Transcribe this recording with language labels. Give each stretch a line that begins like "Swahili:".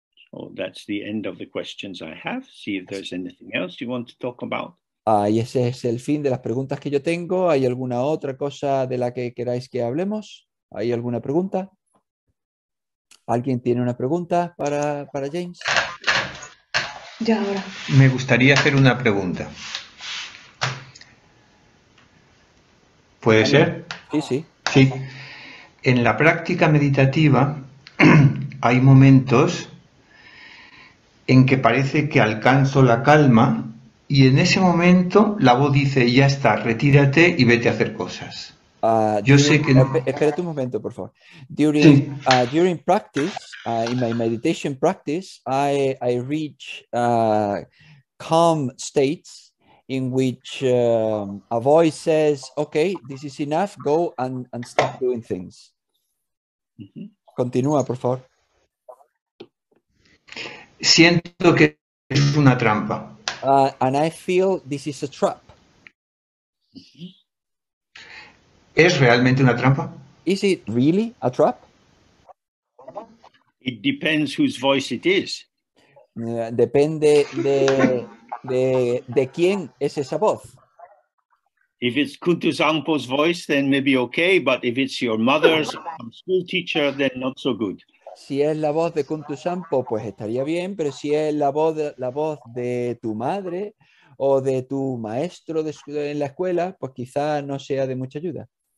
English: Oh, that's the end of the questions I have. See if there's anything else you want to talk about.
Spanish: Y ese es el fin de las preguntas que yo tengo. ¿Hay alguna otra cosa de la que queráis que hablemos? ¿Hay alguna pregunta? ¿Alguien tiene una pregunta para James? Ya ahora. Me gustaría hacer una pregunta. ¿Puede ser? Sí. Sí. En la práctica meditativa hay momentos en que parece que alcanzo la calma. Y en ese momento la voz dice, ya está, retírate y vete a hacer cosas. Yo sé que no. Espérate un momento, por favor. Sí.
English: During practice, in my meditation practice, I reach calm states in which a voice says, okay, this is enough, go and stop doing things.
Spanish: Continúa, por favor. Siento que es una trampa.
English: And I feel this is a trap.
Spanish: ¿Es realmente una trampa?
English: Is it really a trap? It depends whose voice it is.
Spanish: Depende de quién es esa voz.
English: If it's Kutu Zangpo's voice, then maybe okay, but if it's your mother's school teacher, then not so good.
Spanish: Si es la voz de Kuntu Sampo, pues estaría bien, pero si es la voz de tu madre o de tu maestro en la escuela, pues quizá no sea de mucha ayuda.